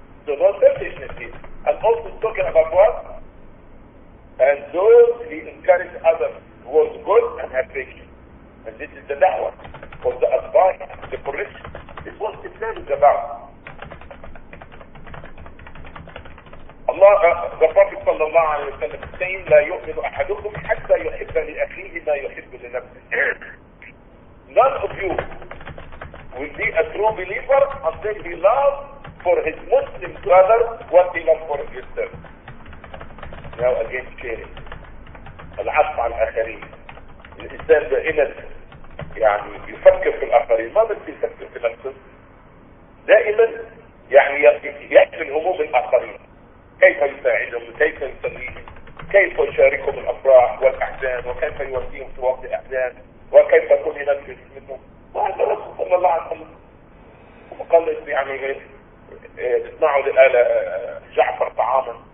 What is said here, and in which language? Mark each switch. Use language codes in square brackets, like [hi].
[en] So no selfishness here. And also talking about what? And those he encourage others who are good and have faith. And this is the da'wah of the advice, the correction. It's what the plan is about. Allah, the Prophet sallallahu alayhi wa sallam saying, [ar] لا يؤمن أحدكم حتى يحب لأخيه ما يحب لنفسه. [en] None of you will be a true believer until he loves for his Muslim brother what he loves for himself. Now again sharing. [ar] العطف على الآخرين. الإنسان دائما يعني يفكر في الآخرين. ما بس يفكر في نفسه. دائما يعني يحمل هموم الآخرين. كيف يساعدهم؟ كيف يسليهم؟ كيف يشاركهم الأفراح والأحزان؟ وكيف يوديهم في وقت الأحزان؟ وكيف يكون هناك منهم؟ وهذا رسول صلى الله عليه وسلم قال يعني اصنعوا لآل جعفر طعاما.